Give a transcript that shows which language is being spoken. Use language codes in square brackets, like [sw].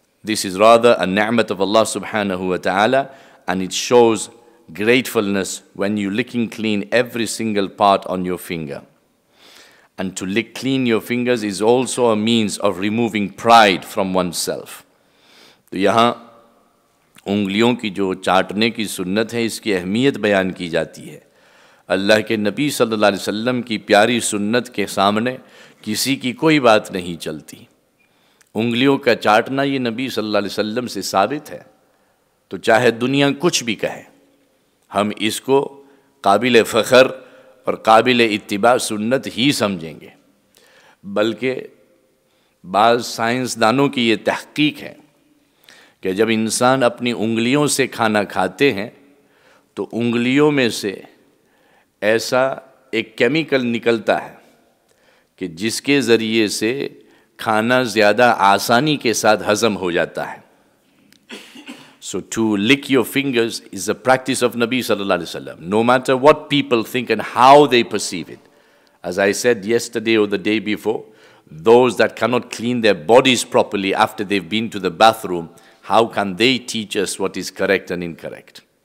[en] This is rather a ni'mat of Allah subhanahu wa ta'ala, and it shows gratefulness when you licking clean every single part on your finger. And to lick clean your fingers is also a means of removing pride from oneself. [ur] تو یہاں انگلیوں کی جو چاٹنے کی سنت ہے اس کی اہمیت بیان کی جاتی ہے. اللہ کے نبی صلی اللہ علیہ وسلم کی پیاری سنت کے سامنے کسی کی کوئی بات نہیں چلتی. انگلیوں کا چاٹنا یہ نبی صلی اللہ علیہ وسلم سے ثابت ہے، تو چاہے دنیا کچھ بھی کہے، ہم اس کو قابل فخر اور قابل اتباع سنت ہی سمجھیں گے. بلکہ بعض سائنسدانوں کی یہ تحقیق ہے کہ جب انسان اپنی انگلیوں سے کھانا کھاتے ہیں تو انگلیوں میں سے ایسا ایک کیمیکل نکلتا ہے کہ جس کے ذریعے سے کھانا زیادہ آسانی کے ساتھ ہضم ہو جاتا ہے. [en] So to lick your fingers is a practice of Nabi sallallahu alaihi wasallam, no matter what people think and how they perceive it. As I said yesterday or the day before, those that cannot clean their bodies properly after they've been to the bathroom, how can they teach us what is correct and incorrect?